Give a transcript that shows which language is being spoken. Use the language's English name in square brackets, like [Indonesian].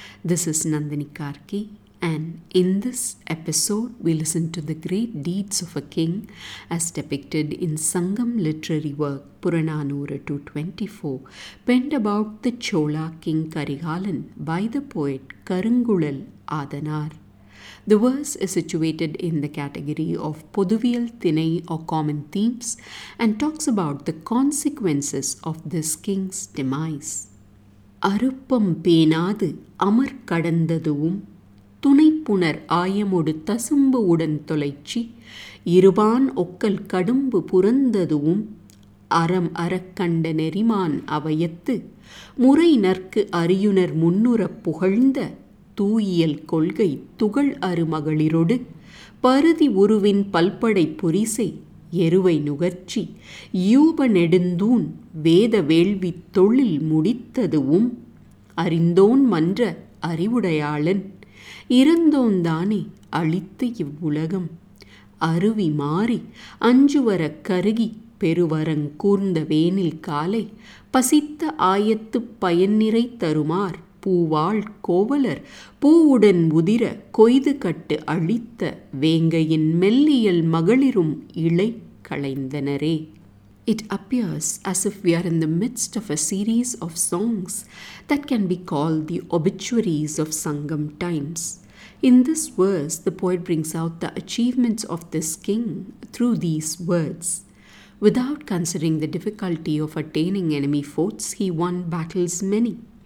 [English] This is Nandini Karki, and in this episode we listen to the great deeds of a king as depicted in Sangam literary work Puranaanooru 224, penned about the Chozha King Karikaalan by the poet Karunkuzhal Aathanaar. The verse is situated in the category of Pothuviyial Thinai or common themes and talks about the consequences of this king's demise. [Tamil] Aruppam peenadu amar kadandaduvum tunaippunar aayamodu tasumbu udan tholaichi iruban okkal kadumbu purandaduvum aram arakkanda neriman avayattu murai narku ariyunar munnura pugalnda தூயியல் கொள்கை துகள் அருமகளிரொடு பருதி உருவின் பல்படை புரிசை எருவை நுகர்ச்சி யூப நெடுந்தூன் வேத வேள்வி தொழில் முடித்ததுவும் அறிந்தோன் மன்ற அறிவுடையாளன் இறந்தோன்தானே அழித்து இவ்வுலகம் அருவி மாறி அஞ்சுவர கருகி பெருவரங்கூர்ந்த வேனில் காலை பசித்த ஆயத்து பயன்நிறை தருமார் பூவாள் கோவலர் பூவுடன் உதிர கொய்து கட்டு அழித்த வேங்கையின் மெல்லியல் மகளிரும் இளை களைந்தனரே. [English] It appears as if we are in the midst of a series of songs that can be called the obituaries of Sangam times. In this verse, the poet brings out the achievements of this king through these words. Without considering the difficulty of attaining enemy forts, he won battles many.